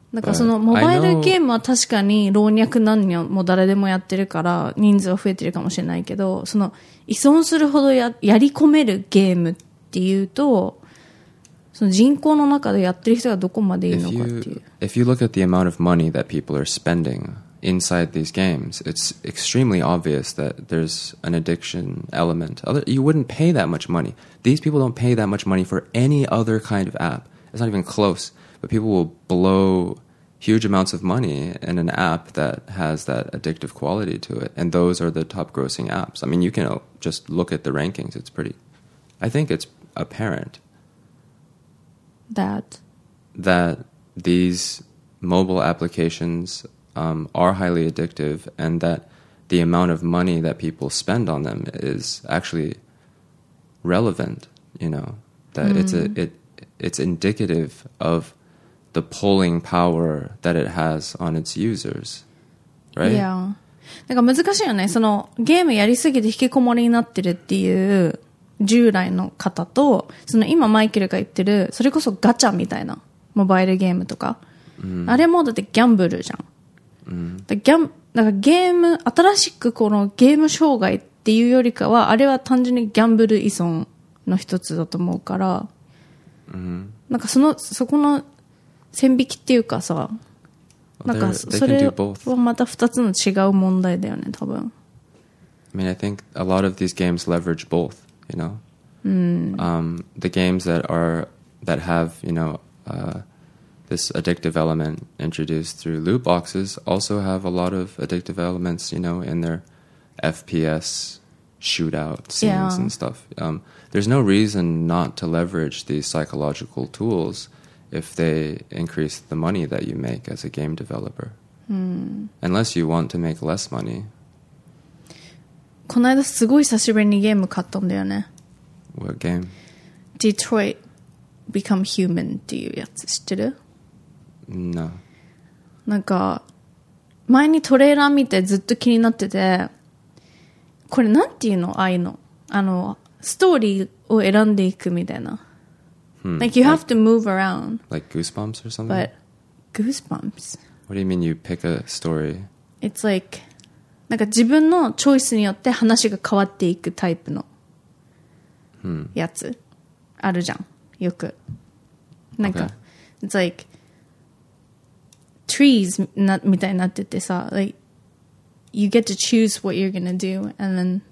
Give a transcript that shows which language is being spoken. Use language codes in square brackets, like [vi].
[ja] なんかそのモバイルゲームは確かに老若男女も誰でもやってるから人数は増えてるかもしれないけど、その依存するほど やり込めるゲームっていうと、その人口の中でやってる人がどこまでいるのかっていう。 [en] If you look at the amount of money that people are spending inside these games, it's extremely obvious that there's an addiction element. You wouldn't pay that much money. These people don't pay that much money for any other kind of app. It's not even close. But people will blow huge amounts of money in an app that has that addictive quality to it. And those are the top grossing apps. I mean, you can just look at the rankings. It's pretty... I think it's apparent that these mobile applications, are highly addictive, and that the amount of money that people spend on them is actually relevant, you know. That it's indicative of... the pulling power that it has on its users, right? Yeah. [ja] なんか難しいよね。そのゲームやりすぎて引きこもりになってるっていう従来の方と、その今マイケルが言ってるそれこそガチャみたいなモバイルゲームとか、あれもだってギャンブルじゃん。だからゲーム、新しくこのゲーム障害っていうよりかは、あれは単純にギャンブル依存の一つだと思うから、なんかそこの線引きっていうかさ、なんかそれはまた二つの違う問題だよね、多分。 [en] I mean, I think a lot of these games leverage both, you know. The games that have, you know, this addictive element introduced through loot boxes also have a lot of addictive elements, you know, in their FPS shootout scenes and stuff. There's no reason not to leverage these psychological tools. If they increase the money that you make as a game developer. Unless you want to make less money. [ja] この間すごい久しぶりにゲーム買ったんだよね。 [en] What game? [ja] Detroit Become Human っていうやつ知ってる? [en] No. [ja] なんか前にトレーラー見てずっと気になってて、これなんていうの?ああいうの。あのストーリーを選んでいくみたいな。 [en] Like, you have to move around. Like Goosebumps or something? But Goosebumps? What do you mean you pick a story? It's like, [ja] なんか自分のチョイスによって話が変わっていくタイプのやつあるじゃん、よく。なんか、okay. [en] It's like, trees [ja] みたいになっててさ、 [en] like, you get to choose what you're gonna do, and then...